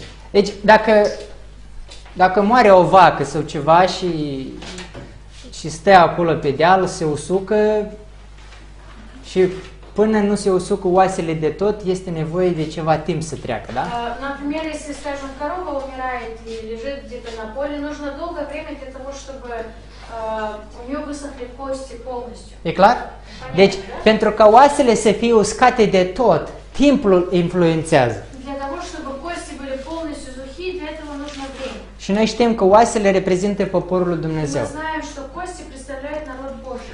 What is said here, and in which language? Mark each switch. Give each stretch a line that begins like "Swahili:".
Romanian: Deci, dacă moare o vacă sau ceva și stă acolo pe deal, se usucă și până nu se usucă oasele de tot, este nevoie de ceva timp să treacă, da?
Russian: Например, если, скажем, корова умирает и лежит где-то на поле, нужно долгое время для того, чтобы у нее высохли кости полностью.
Romanian: E clar?
Russian: Понятно, deci, да?
Romanian: Pentru ca oasele să fie uscate de tot, timpul influențează.
Russian: Для того, чтобы кости были полностью сухи, для этого нужно время.
Romanian: Și noi știm că oasele reprezintă poporul lui Dumnezeu.
Russian: Мы знаем, что кости представляют народ Божий.